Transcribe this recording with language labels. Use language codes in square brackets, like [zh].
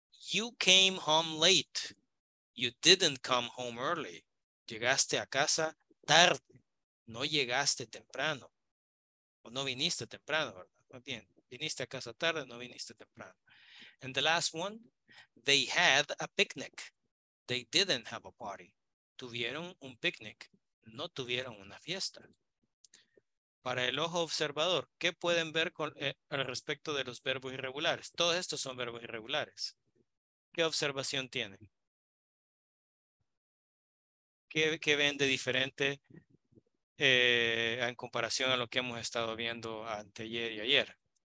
[en] You came home late. You didn't come home early. [es] Llegaste a casa tarde. No llegaste temprano, o no viniste temprano, ¿verdad? Más bien, viniste a casa tarde, no viniste temprano. [en] And the last one, they had a picnic. They didn't have a party. [es] Tuvieron un picnic, no tuvieron una fiesta. Para el ojo observador, ¿qué pueden ver con, al respecto de los verbos irregulares? Todos estos son verbos irregulares. ¿Qué observación tienen? ¿Qué ven de diferente en comparación a lo que hemos estado viendo anteayer y ayer?